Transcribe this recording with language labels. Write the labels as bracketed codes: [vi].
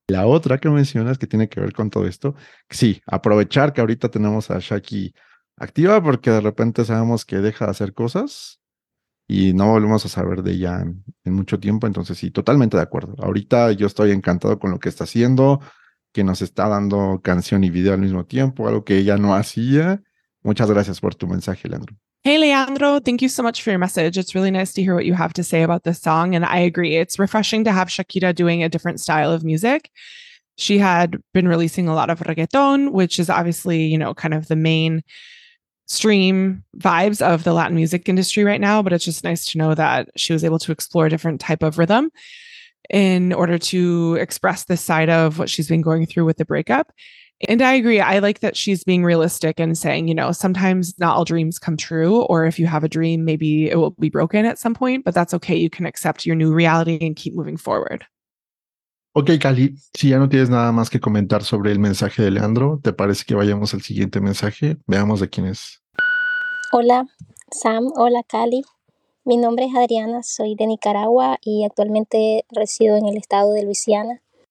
[es] La otra que mencionas que tiene que ver con todo esto, sí, aprovechar que ahorita tenemos a Shaki activa, porque de repente sabemos que deja de hacer cosas y no volvemos a saber de ella en mucho tiempo. Entonces sí, totalmente de acuerdo. Ahorita yo estoy encantado con lo que está haciendo, que nos está dando canción y video al mismo tiempo, algo que ella no hacía. Muchas gracias por tu mensaje, Leandro. [en] Hey, Leandro, thank you so much for your message. It's really nice to hear what you have to say about this song. And I agree, it's refreshing to have Shakira doing a different style of music. She had been releasing a lot of reggaeton, which is obviously, you know, kind of the main stream vibes of the Latin music industry right now. But it's just nice to know that she was able to explore a different type of rhythm in order to express this side of what she's been going through with the breakup. And I agree. I like that she's being realistic and saying, you know, sometimes not all dreams come true. Or if you have a dream, maybe it will be broken at some point, but that's okay. You can accept your new reality and keep moving forward. [es] Okay, Cali, si ya no tienes nada más que comentar sobre el mensaje de Leandro, ¿te parece que vayamos al siguiente mensaje? Veamos de quién es. Hola, Sam. Hola, Cali. Mi nombre es Adriana. Soy de Nicaragua y actualmente resido en el estado de Luisiana.